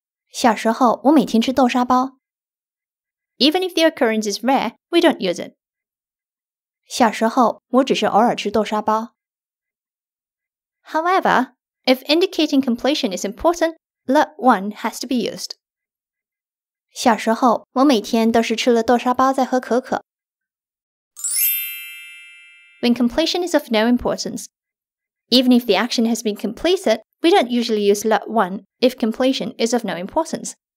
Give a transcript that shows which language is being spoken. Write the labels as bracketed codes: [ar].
[zh] 小时候我每天吃豆沙包. [en] Even if the occurrence is rare, we don't use it. [zh] 小时候我只是偶尔吃豆沙包. [en] However, if indicating completion is important, le-wan has to be used. [zh] 小时候我每天都是吃了豆沙包再喝可可. [en] When completion is of no importance. Even if the action has been completed, we don't usually use le-wan if completion is of no importance.